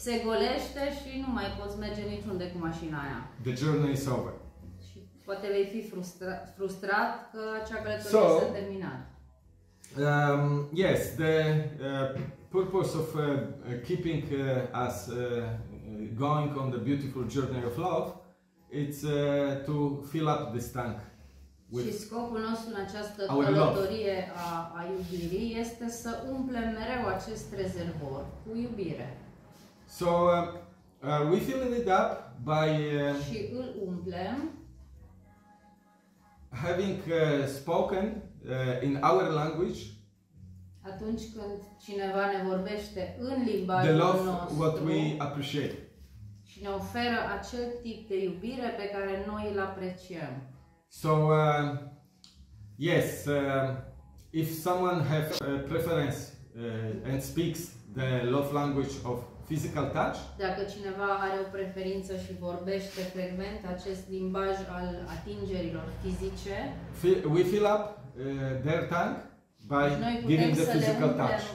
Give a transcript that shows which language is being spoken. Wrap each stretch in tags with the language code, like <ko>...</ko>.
<ro>se golește și nu mai poți merge niciunde cu mașina aia.</ro> <en>The journey is over.</en> <ro>Și poate vei fi frustrat că acea călătorie s-a terminat.</ro> <en>Yes, the purpose of keeping us going on the beautiful journey of love is to fill up this tank with our love.</en> <ro>Și scopul nostru în această călătorie a iubirii este să umplem mereu acest rezervor cu iubire.</ro> <en>So we filling it up by</en> <ro>și îl umplem</ro> <en>having spoken in our language.</en> <ro>Atunci când cineva ne vorbește în limbajul</ro> <en>the love,</en> <ro>nostru</ro> <en>what we appreciate.</en> <ro>Și ne oferă acel tip de iubire pe care noi îl apreciăm.</ro> <en>So yes, if someone have a preference and speaks the love language of physical touch.</en> <ro>Dacă cineva are o preferință și vorbește frecvent acest limbaj al atingerilor fizice,</ro> <en>we fill up their tank. By giving the physical touch.</en>